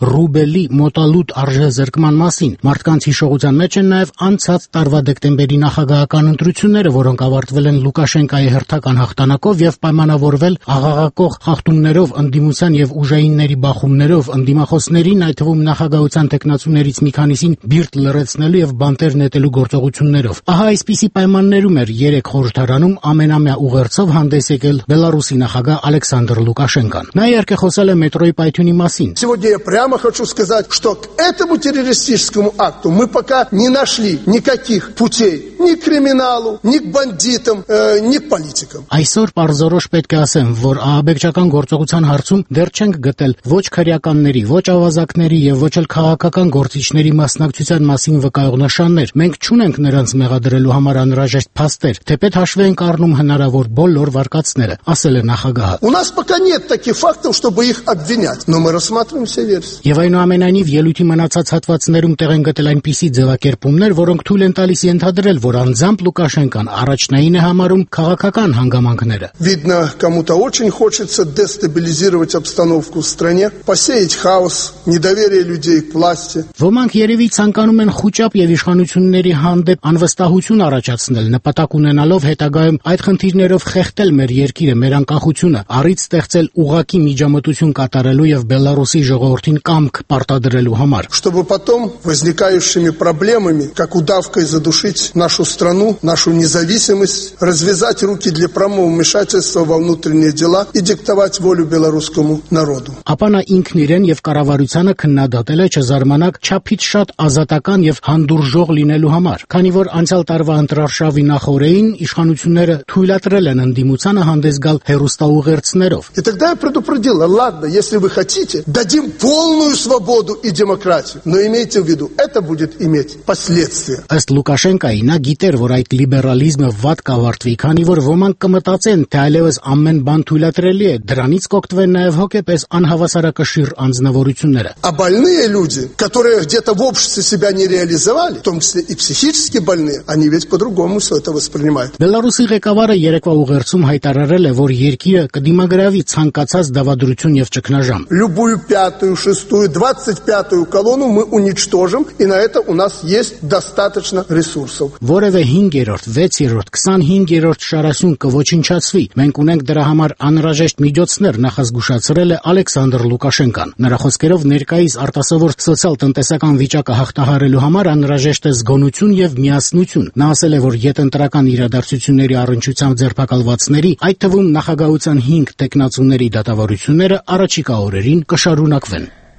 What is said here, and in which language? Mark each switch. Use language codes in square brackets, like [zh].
[hy] ռուբելի մոտալուտ արժե զերկման մասին։ Մարդկանց հիշողության մեջ են նաև անցած տարվա դեկտեմբերի նախագահական ընտրությունները, որոնք ավարտվել են Լուկաշենկայի հերթական հաղթանակով և պայմանավորվել աղաղակող խախտումներով, ընդդիմության և ուժայինների բախումներով, ընդդիմախոսներին, այդ թվում նախագահության տեկնացուներից մի քանիսին բիրտ լրացնելու և բանտեր նետելու գործողություններով։ Ահա այսպիսի պայմաններում էր երեք խորհրդարանում ամենամյա ուղերձով հանդես եկել Բելարուսի նախագահ Ալեքսանդր Լուկաշենկան։ Նա երկե խոսել է մետրոյի պայթյունի մասին։ [ru] Сегодня я прямо хочу сказать, что к этому террористическому акту мы пока не нашли никаких путей ни к криминалу, ни к бандитам, ни к политикам. [hy] Այսօր պարզորոշ պետք է ասեմ, որ ահաբեկչական գործողության հարցում դեռ չենք գտել ոչ քրեականների, ոչ ավազակների և ոչ էլ քաղաքական գործիչների մասնակցության մասին վկայողնշաններ։ Մենք չունենք նրանց մեղադրելու համար անհրաժեշտ փաստեր, թեպետ հաշվի ենք առնում հնարավոր բոլոր վարկածները, ասել է նախագահը։ [ru] У нас пока нет таких фактов, чтобы их обвинять, но мы рассматриваем все версии։ [hy] Եվ այնուամենայնիվ ելույթի մնացած հատվածներում տեղ են գտել այնպիսի ձևակերպումներ, որոնք թույլ են տալիս ենթադրել, որ անձամբ Լուկաշենկան առաջնային է համարում քաղաքական հանգամանքները։ [ru] Видно, кому-то очень хочется дестабилизировать обстановку в стране, посеять хаос, недоверие людей к власти. [hy] Ոմանք երևի ցանկանում են խուճապ եւ իշխանությունների հանդեպ անվստահություն առաջացնել, նպատակ ունենալով հետագայում այդ խնդիրներով խեղդել մեր երկիրը, մեր անկախությունը, առից ստեղծել ուղակի միջամտություն կատարելու եւ Բելարուսի ժողովրդին կամք պարտադրելու համար. [ru] Чтобы потом возникающими проблемами, как удавкой задушить нашу страну, нашу независимость, развязать руки для прямого вмешательства во внутренние дела и диктовать волю белорусскому народу. [hy] Апана ինքնիրեն եւ կառավարությունը քննադատել է չզարմանակ չափից շատ ազատական եւ հանդուրժող լինելու համար, քանի որ անցյալ տարվա ընտրարշավի նախորեին իշխանությունները թույլատրել են ընդդիմությանը հանդես գալ հերուստաուղերձներով. [ru] И тогда я предупредил: ладно, если вы хотите, дадим полную свободу и демократию, но имейте в виду, это будет иметь последствия. [hy] Ըստ Լուկաշենկայի, նա գիտեր, որ այդ լիբերալիզմը վատ կավարտվի, քանի որ ոմանք կմտածեն, թե այլևս ամեն բան թույլատրել կարելի է, դրանից կօգտվեն նաև հոգեպես անհավասարակշիռ անձնավորությունները։ [ru] А больные люди, которые где-то в обществе себя не реализовали, в том числе и психически больные, они ведь по-другому всё это воспринимают. [hy] Բելարուսի ղեկավարը երեկվա ուղերձում հայտարարել է, որ երկիրը կդիմագրավի ցանկացած դավադրություն եւ ճգնաժամ։ [ru] Любую пятую, шестую, 25-ю колонну мы уничтожим, и на это у нас есть достаточно ресурсов. [hy] Որևէ 5-րդ, 6-րդ, 25-րդ շարասուն կոչնչացվի։ Մենք ունենք դրա համար անհրաժեշտ միջոցներ, նախազգուշացրել է Ալեքսանդր Լուկաշենկան։ Նրա խոսքերով ներկայիս արտասովոր սոցիալ-տնտեսական վիճակը հաղթահարելու համար անհրաժեշտ է զգոնություն եւ միասնություն։ Նա ասել է, որ յետընտրական իրադարձությունների առընչությամբ ձերբակալվածների, այդ թվում նախագահության 5 տեկնացումների դատավորությունները առաջիկա օրերին կշարունակվեն։